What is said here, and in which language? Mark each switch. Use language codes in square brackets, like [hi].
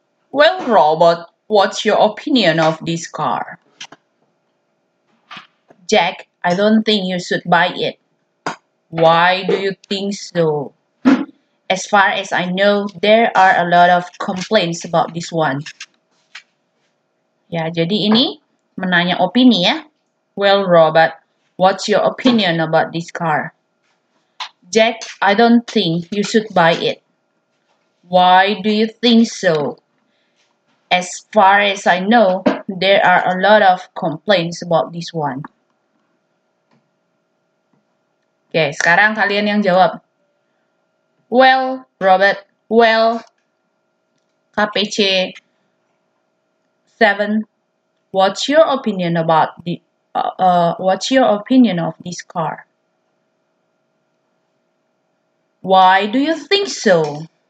[en] Well, robot, what's your opinion of this car? Jack, I don't think you should buy it. Why do you think so? As far as I know, there are a lot of complaints about this one. [id] Ya, jadi ini menanya opini ya. [en] Well, Robert, what's your opinion about this car? Jack, I don't think you should buy it. Why do you think so? As far as I know, there are a lot of complaints about this one. [id] Oke, okay, sekarang kalian yang jawab. [en] Well, Robert, well, KPC 7, what's your opinion about this? What's your opinion of this car? Why do you think so?